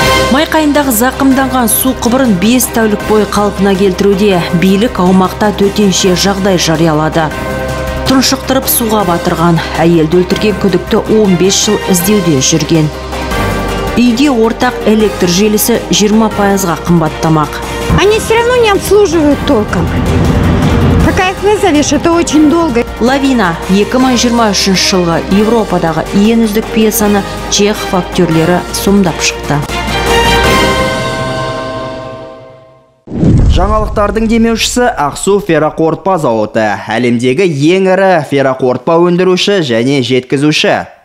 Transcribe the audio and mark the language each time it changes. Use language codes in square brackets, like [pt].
[kk] Майқайындағы зақымданған су құбырын 5 тәулік бойы қалпына келтіруде билік аумақта төтенше жағдай жариялады. Тұншықтырып суға батырған әйелді өлтірген күдікті 15 жыл іздеуде жүрген. Үйде ортақ электр желісі 20%-ға қымбаттамақ. [ru] Они все равно не обслуживают толком. Какая их вызовешь, это очень долго. [kk] Лавина. 2023 жылғы Европадағы ең үздік пьесаны чех фактерлері сомдап шықты. Жаңалықтардың демеушісі Ақсу ферроқорытпа зауыты. Әлемдегі ең ірі ферроқорытпа өндіруші және жеткізуші.